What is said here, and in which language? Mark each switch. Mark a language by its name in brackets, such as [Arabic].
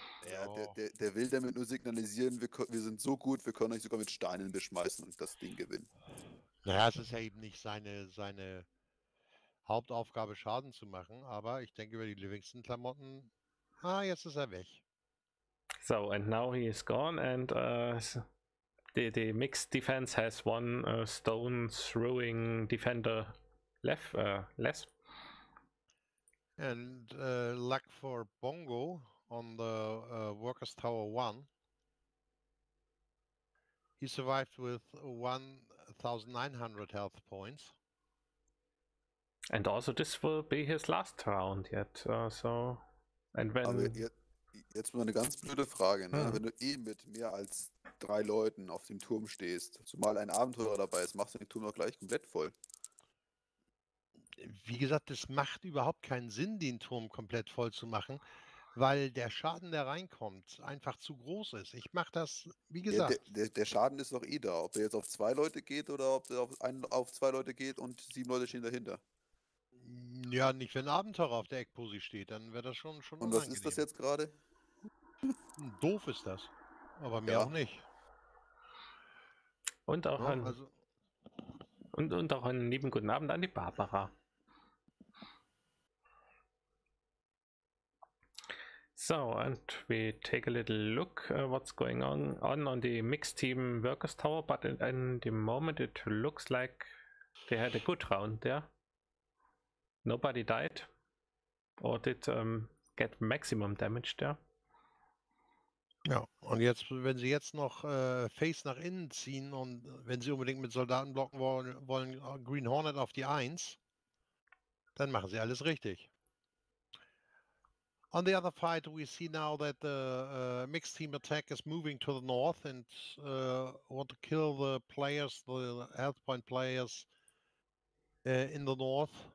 [German] Ja, der will damit nur signalisieren, wir sind so gut, wir können euch sogar mit Steinen beschmeißen und das Ding gewinnen. Naja, es ist ja eben nicht seine Hauptaufgabe, Schaden zu machen, aber ich denke über die Livingston-Klamotten. Ah, jetzt ist er weg. [English] So, and now he is gone and the mixed defense has one stone throwing defender less. And luck for Bongo on the Workers Tower 1. He survived with 1900 health points. And also this will be his last round yet, so... And when... [German] Aber jetzt mal eine ganz blöde Frage, ne? Wenn du eh mit mehr als drei Leuten auf dem Turm stehst, zumal ein Abenteurer dabei ist, machst du den Turm doch gleich komplett voll. Wie gesagt, es macht überhaupt keinen Sinn, den Turm komplett voll zu machen, weil der Schaden, der reinkommt, einfach zu groß ist. Ich mach das, wie gesagt... Der Schaden ist doch eh da, ob er jetzt auf zwei Leute geht oder ob er auf zwei Leute geht und sieben Leute stehen dahinter. Ja, nicht wenn Abenteurer auf der Eckposi steht, dann wäre das schon unangenehm. Und was ist das jetzt gerade? Doof ist das, aber mehr auch nicht. Und auch, ja, und auch einen lieben guten Abend an die Barbara. [English] So, and we take a little look what's going on the mixed team workers tower, but in the moment it looks like they had a good round there. Nobody died or did get maximum damage there. [German] Ja, und jetzt, wenn sie jetzt noch Face nach innen ziehen und wenn sie unbedingt mit Soldaten blocken wollen, Green Hornet auf die 1, dann machen sie alles richtig. [English] On the other fight, we see now that the mixed team attack is moving to the north and want to kill the players, the health point players in the north.